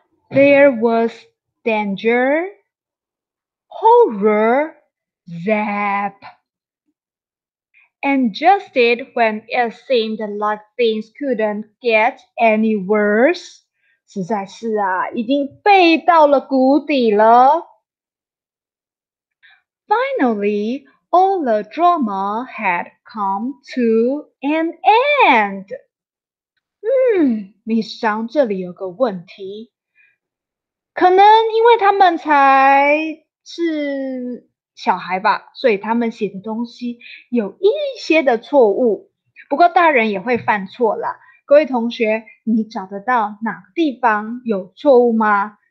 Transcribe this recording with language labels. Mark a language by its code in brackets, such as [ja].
[en] There was danger, horror, zap. And just it when it seemed like things couldn't get any worse. [zh] 实在是啊，已经背到了谷底了。 [en] Finally, all the drama had come to an end. [zh] Miss Zhang 这里有个问题。可能因为他们才是小孩吧，所以他们写的东西有一些的错误，不过大人也会犯错啦。各位同学，你找得到哪个地方有错误吗？